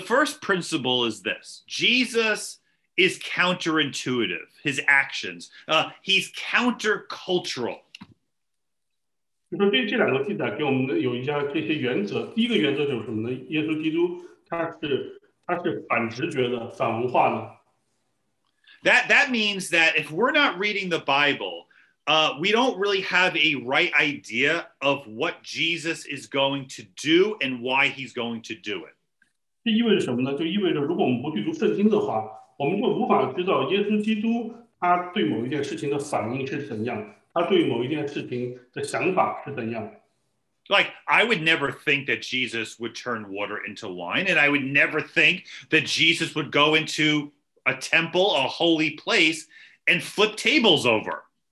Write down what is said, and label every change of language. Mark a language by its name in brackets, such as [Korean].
[English] first principle is this: Jesus is counterintuitive. His actions, he's countercultural. [Chinese] 就说这两个记载给我们有一些这些原则。第一个原则就是什么呢？耶稣基督他是反直觉的，反文化的。 [English] That means that if we're not reading the Bible, we don't really have a right idea of what Jesus is going to do and why he's going to do it. [Chinese] 这意味着什么呢？就意味着如果我们不去读圣经的话，我们就无法知道耶稣基督他对某一件事情的反应是怎样，他对某一件事情的想法是怎样。 [English] Like, I would never think that Jesus would turn water into wine, and I would never think that Jesus would go into a temple, a holy place, and flip tables over.